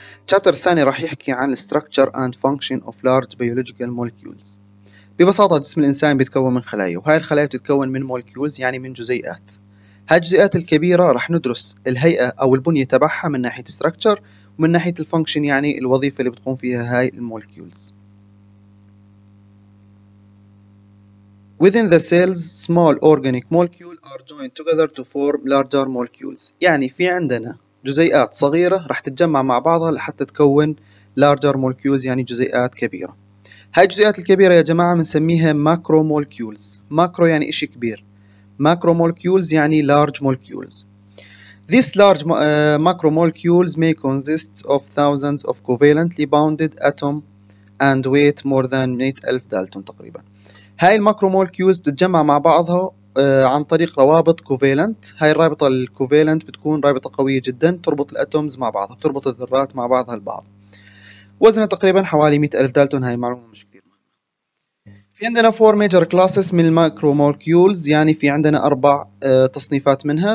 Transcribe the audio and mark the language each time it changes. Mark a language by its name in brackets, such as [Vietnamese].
[Arabic] التشابتر الثاني راح يحكي عن [English] Structure and Function of Large Biological Molecules. [Arabic] ببساطة جسم الإنسان بيتكون من خلايا، وهاي الخلايا بتتكون من مولكيولز، يعني من جزيئات. هاي الجزيئات الكبيرة رح ندرس الهيئة أو البنية تبعها من ناحية ستراكتشر ومن ناحية الفانكشن، يعني الوظيفة اللي بتقوم فيها هاي المولكيولز. [English] Within the cells, small organic molecules are joined together to form larger molecules. [Arabic] يعني في عندنا جزيئات صغيرة رح تتجمع مع بعضها لحتى تكون [English] larger molecules، [Arabic] يعني جزيئات كبيرة. هاي الجزيئات الكبيرة يا جماعة بنسميها ماكرو مولكيولز. ماكرو يعني إشي كبير، ماكرو مولكيولز يعني لارج مولكيولز. [English] This large macro molecules may consist of thousands of covalently bounded atom and weight more than 100,000 [Arabic] دالتون تقريبا. هاي الماكرو مولكيولز تتجمع مع بعضها عن طريق روابط كوفالنت. هاي الرابطة الكوفالنت بتكون رابطة قوية جدا، تربط الأتومز مع بعضها، تربط الذرات مع بعضها البعض. وزنها تقريبا حوالي 100,000 دالتون. هاي معلومة مش كثير مهمة. في عندنا 4 [English] major classes [Arabic] من الماكرو مولكيولز، يعني في عندنا 4 تصنيفات منها.